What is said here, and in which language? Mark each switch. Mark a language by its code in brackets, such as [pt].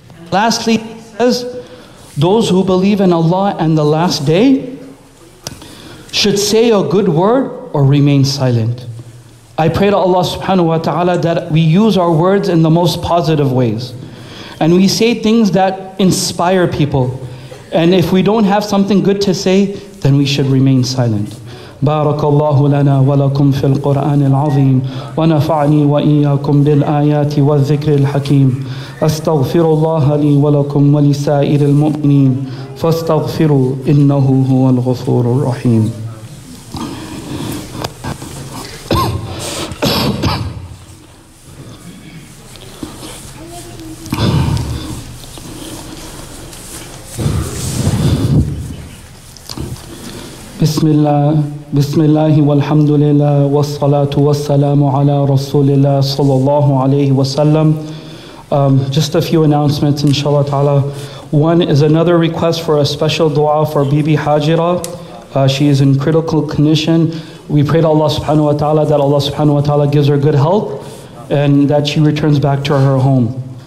[en] Lastly, he says, those who believe in Allah and the last day should say a good word or remain silent. I pray to Allah subhanahu wa ta'ala that we use our words in the most positive ways. And we say things that inspire people. And if we don't have something good to say, then we should remain silent. [ar] بارك الله لنا ولكم في القرآن العظيم ونفعني وإياكم بالآيات والذكر الحكيم أستغفر الله لي ولكم ولسائر المؤمنين فاستغفروا إنه هو الغفور الرحيم. بسم الله والحمد لله والصلاة والسلام على رسول الله صلى الله عليه وسلم. [en] Just a few announcements, inshallah ta'ala. One is another request for a special dua for Bibi Hajira. She is in critical condition. We pray to Allah subhanahu wa ta'ala that Allah subhanahu wa ta'ala gives her good health and that she returns back to her home.